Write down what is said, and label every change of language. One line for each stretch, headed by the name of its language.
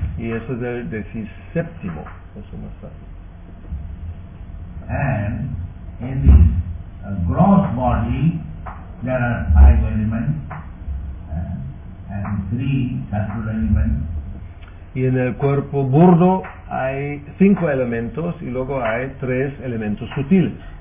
Spanish: Y eso es el 17º, eso más tarde.
English: And in this gross body there are 5 elements and 3 subtle elements.
Spanish: Y en el cuerpo burdo hay 5 elementos y luego hay 3 elementos sutiles.